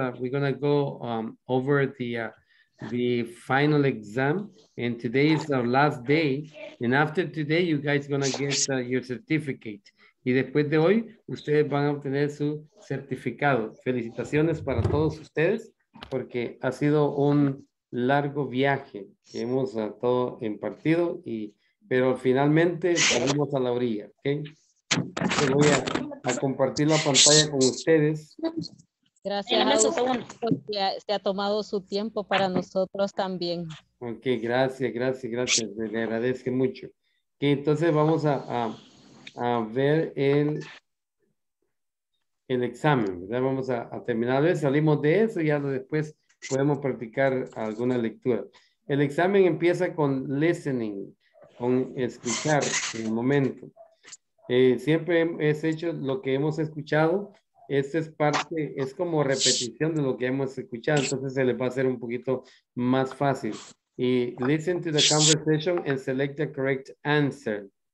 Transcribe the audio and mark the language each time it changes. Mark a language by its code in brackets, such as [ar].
[en] We're going to go over the final exam. And today is our last day. And after today, you guys are going to get your certificate. [es] Y después de hoy, ustedes van a obtener su certificado. Felicitaciones para todos ustedes, porque ha sido un largo viaje que hemos todo impartido. Pero finalmente salimos a la orilla. ¿Okay? Voy a compartir la pantalla con ustedes. Gracias, porque se ha tomado su tiempo para nosotros también. Ok, gracias. Le agradezco mucho. Okay, entonces vamos a ver el examen, ¿verdad? Vamos a terminar. Salimos de eso y ya después podemos practicar alguna lectura. El examen empieza con listening, con escuchar en el momento. Siempre es hecho lo que hemos escuchado. Esta es parte, es como repetición de lo que hemos escuchado. Entonces se les va a hacer un poquito más fácil. [en] Y listen to the conversation and select the correct answer.